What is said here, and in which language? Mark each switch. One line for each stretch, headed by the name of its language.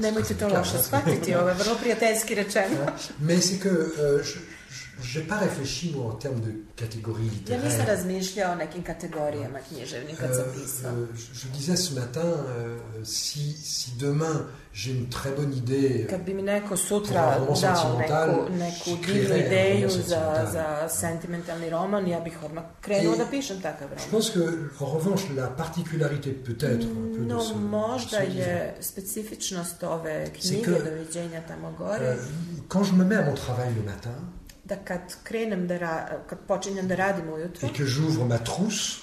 Serbian: Nemojte to loše shvatiti, ovo je vrlo prijateljski rečeno.
French: Mais c'est que j'ai pas réfléchi moi en termes de catégorie littéraire.
Serbian: Ja nisam razmišljao o nekim kategorijama književnim kad sam pisao.
French: Je disais ce matin si demain j'ai une très bonne idée.
Serbian: Kad bi mi neko sutra dao neku divnu ideju za sentimentalni roman, ja bih odmah krenuo da pišem takav roman.
French: Je pense que, en revanche, la particularité peut-être un peu de ce...
Serbian: No, možda je specifičnost ove knjige Doviđenja tamo gore.
French: Quand je me mets à mon travail le matin,
Serbian: da kad krenem da kad počinjem da radim ujutro,
French: et que j'ouvre ma trousse,